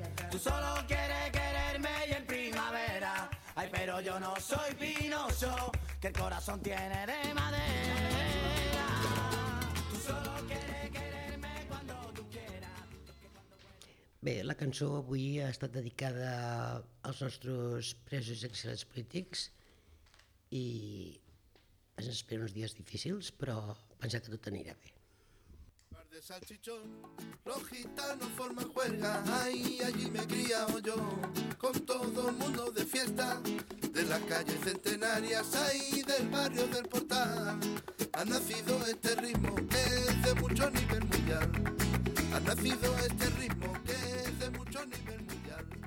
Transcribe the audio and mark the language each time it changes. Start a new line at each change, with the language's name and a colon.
Spanish: Tú solo quieres quererme y en primavera. Ay, pero yo no soy pinoso, que el corazón tiene de madera. Tú solo quieres quererme cuando tú quieras.
Catalan: Bé, la cançó avui ha estat dedicada als nostres presos i exiliats polítics i ens espera uns dies difícils, però pensa que tot anirà bé.
Spanish: De salchichón, los gitanos forman juerga, ahí allí me he criado yo, con todo el mundo de fiesta, de las calles centenarias, ahí del barrio del portal, ha nacido este ritmo que es de mucho nivel mundial, ha nacido este ritmo que es de mucho nivel mundial.